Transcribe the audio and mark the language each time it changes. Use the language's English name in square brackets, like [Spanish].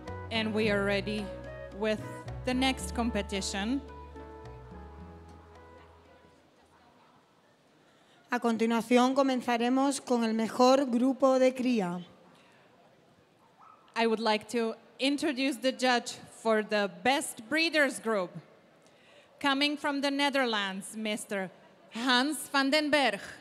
[English] And we are ready with the next competition. [Spanish] A continuación, comenzaremos con el mejor grupo de cría. [English] I would like to introduce the judge for the best breeders group. Coming from the Netherlands, Mr. Hans van den Berg.